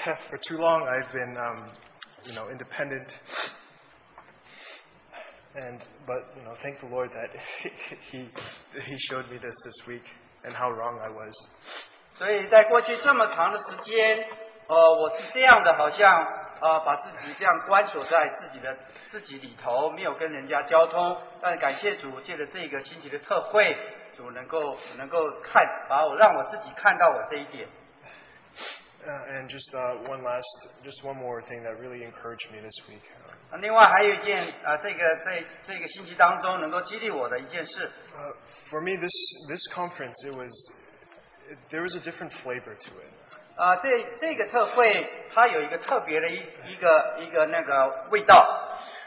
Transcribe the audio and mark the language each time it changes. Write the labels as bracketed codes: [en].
[en] for too long I've been you know, independent. But you know, thank the Lord that he showed me this week and how wrong I was. [zh] 所以在过去这么长的时间，我是这样的，好像把自己这样关锁在自己的自己里头，没有跟人家交通。但感谢主，借着这个星期的特会，主能够看，把我让我自己看到我这一点。And [en] just one more thing that really encouraged me this week. [zh] 另外还有一件，这个星期当中能够激励我的一件事。 [en] For me, this conference, there was a different flavor to it. [zh] 这个特会它有一个特别的一个那个味道。